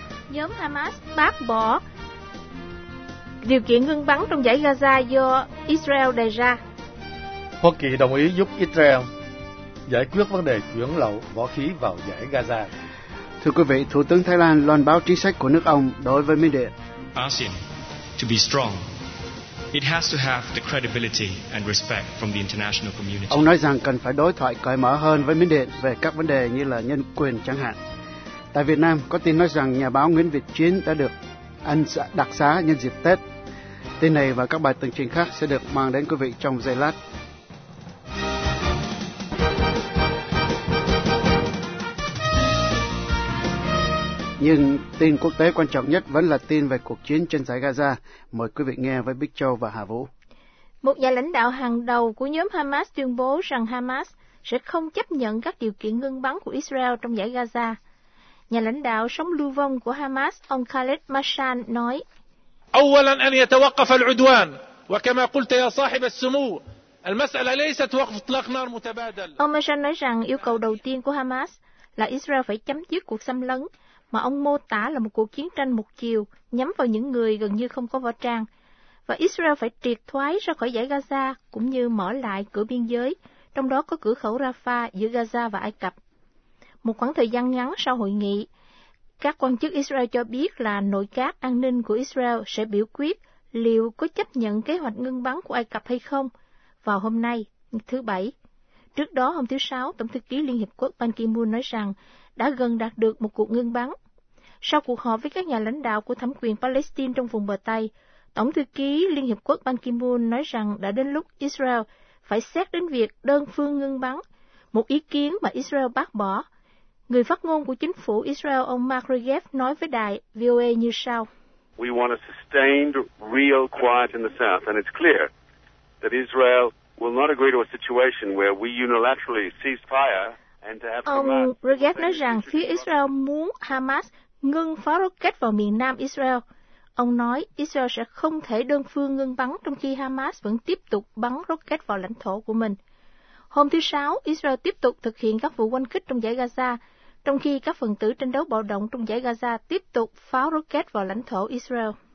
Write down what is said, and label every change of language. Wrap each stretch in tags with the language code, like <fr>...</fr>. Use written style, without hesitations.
<vi>nhóm Hamas bác bỏ điều kiện ngưng bắn trong dãy Gaza do Israel đề ra; Hoa Kỳ đồng ý giúp Israel giải quyết vấn đề chuyển lậu vũ khí vào dãy Gaza. Thưa quý vị, Thủ tướng Thái Lan loan báo chính sách của nước ông đối với Mỹ Điện.</vi> <en>ASEAN to be strong, it has to have the credibility and respect from the international community.</en> <vi>Ông nói rằng cần phải đối thoại cởi mở hơn với Mỹ Điện về các vấn đề như là nhân quyền chẳng hạn. Tại Việt Nam, có tin nói rằng nhà báo Nguyễn Việt Chiến đã được ân đặc xá nhân dịp Tết. Tin này và các bài tường trình khác sẽ được mang đến quý vị trong giây lát. Nhưng tin quốc tế quan trọng nhất vẫn là tin về cuộc chiến trên dải Gaza. Mời quý vị nghe với Bích Châu và Hà Vũ. Một nhà lãnh đạo hàng đầu của nhóm Hamas tuyên bố rằng Hamas sẽ không chấp nhận các điều kiện ngưng bắn của Israel trong dải Gaza. Nhà lãnh đạo sống lưu vong của Hamas, ông Khaled Mashan, nói:</vi> <ar>أولاً أن يتوقف العدوان وكما قلت يا صاحب السمو المسألة ليست وقف إطلاق نار متبادل.</ar> <vi>Ông Mashan nói rằng yêu cầu đầu tiên của Hamas là Israel phải chấm dứt cuộc xâm lấn mà ông mô tả là một cuộc chiến tranh một chiều nhắm vào những người gần như không có võ trang, và Israel phải triệt thoái ra khỏi dải Gaza cũng như mở lại cửa biên giới, trong đó có cửa khẩu Rafah giữa Gaza và Ai Cập. Một khoảng thời gian ngắn sau hội nghị, các quan chức Israel cho biết là nội các an ninh của Israel sẽ biểu quyết liệu có chấp nhận kế hoạch ngưng bắn của Ai Cập hay không vào hôm nay, thứ Bảy. Trước đó, hôm thứ Sáu, Tổng thư ký Liên Hiệp Quốc Ban Ki-moon nói rằng đã gần đạt được một cuộc ngưng bắn. Sau cuộc họp với các nhà lãnh đạo của thẩm quyền Palestine trong vùng bờ Tây, Tổng thư ký Liên Hiệp Quốc Ban Ki-moon nói rằng đã đến lúc Israel phải xét đến việc đơn phương ngưng bắn, một ý kiến mà Israel bác bỏ. Người phát ngôn của chính phủ Israel, ông Mark Regev, nói với đài VOA như sau:</vi> <en>We want a sustained, real quiet in the south, and it's clear that Israel will not agree to a situation where we unilaterally cease fire.</en> <vi>Ông Regev nói rằng phía Israel muốn Hamas ngưng pháo rocket vào miền nam Israel. Ông nói Israel sẽ không thể đơn phương ngưng bắn trong khi Hamas vẫn tiếp tục bắn rocket vào lãnh thổ của mình. Hôm thứ Sáu, Israel tiếp tục thực hiện các vụ oanh kích trong dải Gaza, trong khi các phần tử tranh đấu bạo động trong dải Gaza tiếp tục pháo rocket vào lãnh thổ Israel.</vi>